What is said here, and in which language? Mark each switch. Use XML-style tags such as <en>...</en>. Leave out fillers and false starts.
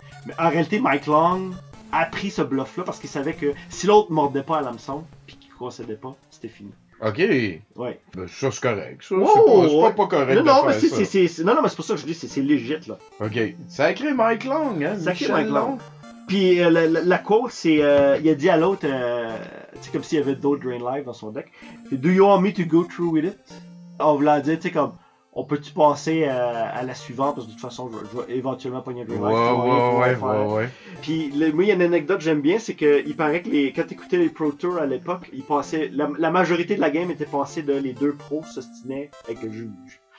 <fr>Mais en réalité, Mike Long a pris ce bluff-là parce qu'il savait que si l'autre mordait pas à l'hameçon puis qu'il concédait pas, c'était fini. Ok. Ouais. Ben, ça, c'est correct. Ça, oh, c'est pas correct. Non, de non, faire mais C'est. Non, non, mais c'est pas ça que je dis, c'est légit, là. Ok. Sacré Mike Long, hein. Sacré Michel Mike Long. Puis la quote, c'est. Il a dit à l'autre. Tu sais, comme s'il y avait d'autres Drain Live dans son deck.</fr> <en>Puis, do you want me to go through with it?</en> <fr>On voulait dire, tu sais, comme. On peut-tu passer à la suivante? Parce que de toute façon, je vais éventuellement pogner un Drain Live. Ouais. Puis, moi, il y a une anecdote que j'aime bien, c'est que il paraît que quand t'écoutais les Pro Tour à l'époque, ils passaient. La majorité de la game était passée de les deux pros s'ostinaient avec le juge.</fr>